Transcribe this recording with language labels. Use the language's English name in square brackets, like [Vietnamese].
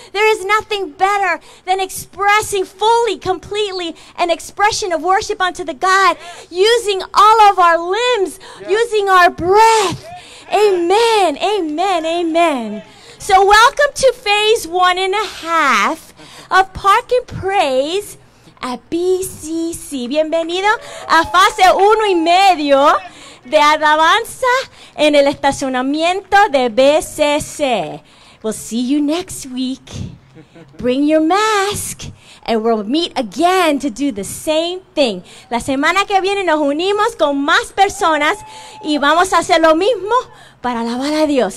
[English] There is nothing better than expressing fully, completely, an expression of worship unto the God, using all of our limbs, using our breath. Amen, amen, amen. So welcome to phase 1.5 of Park and Praise at BCC. [Spanish] Bienvenido a fase 1.5 de alabanza en el estacionamiento de BCC. [English] We'll see you next week. Bring your mask and we'll meet again to do the same thing. [Spanish] La semana que viene nos unimos con más personas y vamos a hacer lo mismo para alabar a Dios.